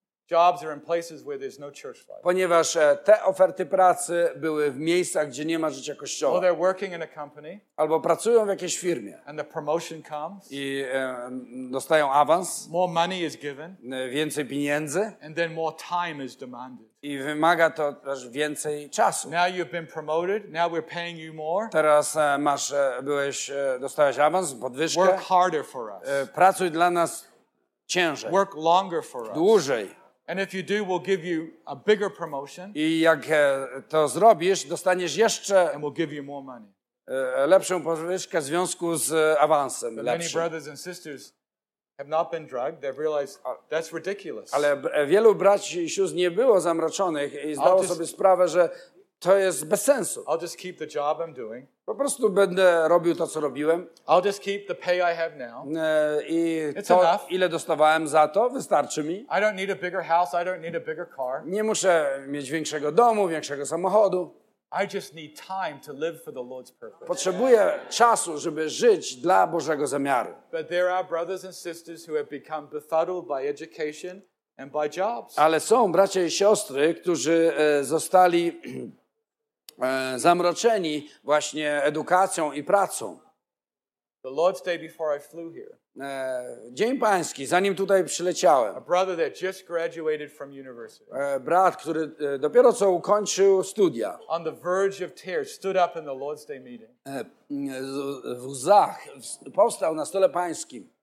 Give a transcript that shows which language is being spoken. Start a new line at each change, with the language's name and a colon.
English: jobs are in places where there's no church life.
Polish: Ponieważ te oferty pracy były w miejscach, gdzie nie ma życia kościoła.
English: Or they're working in a company.
Polish: Albo pracują w jakiejś firmie.
English: And the promotion comes.
Polish: I dostają awans.
English: More money is given.
Polish: Więcej pieniędzy.
English: And then more time is demanded.
Polish: I wymaga to też więcej czasu.
English: Now you've been promoted, now we're paying you more.
Polish: Teraz masz, byłeś, dostałeś awans, podwyżkę.
English: Work harder for us.
Polish: Pracuj dla nas ciężej.
English: Work longer for us.
Polish: Dłużej.
English: And if you do, we'll give you a bigger promotion.
Polish: I jak to zrobisz, dostaniesz jeszcze
English: and we'll give you more money.
Polish: Lepszą podwyżkę w związku z awansem.
English: Many brothers and sisters have not been drugged, they've realized that's ridiculous.
Polish: Ale wielu braci i sióstr nie było zamroczonych i zdało sobie sprawę, że to jest bez sensu.
English: I'll just keep the job I'm doing.
Polish: Po prostu będę robił to, co robiłem.
English: I'll just keep the pay I have now.
Polish: I to, ile dostawałem za to, wystarczy mi.
English: I don't need a bigger house, I don't need a bigger car.
Polish: Nie muszę mieć większego domu, większego samochodu.
English: I just need time to live for the Lord's purpose.
Polish: Potrzebuję czasu, żeby żyć dla Bożego zamiaru.
English: But there are brothers and sisters who have become befuddled by education and by jobs.
Polish: Ale są bracia i siostry, którzy zostali zamroczeni właśnie edukacją i pracą.
English: The Lord's Day before I flew here.
Polish: Dzień Pański, zanim tutaj przyleciałem.
English: A brother that just graduated from university.
Polish: Brat, który dopiero co ukończył studia.
English: On the verge of tears, stood up in the Lord's Day meeting.
Polish: W łzach powstał na stole pańskim.